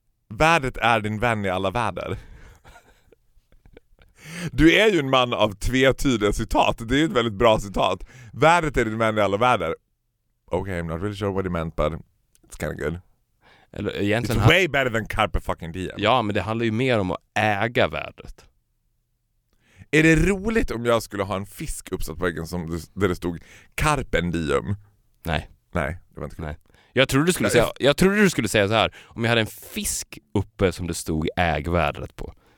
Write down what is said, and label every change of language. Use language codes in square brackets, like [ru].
[sv] Vädret är din vän i alla väder. Du är ju en man av tvetydiga citat. Det är ju ett väldigt bra citat. Vädret är din vän i alla väder. [en] Okay, I'm not really sure what he meant, but it's kind of good. [sv] Eller egentligen [en] it's way better than carpe fucking diem. [sv] Ja, men det handlar ju mer om att äga vädret. Är det roligt om jag skulle ha en fisk uppsatt på väggen som där det stod carpe diem? Nej. Nej, det var inte kul. Nej. Jag trodde du skulle säga så här, om jag hade en fisk uppe som det stod ägvärdet på.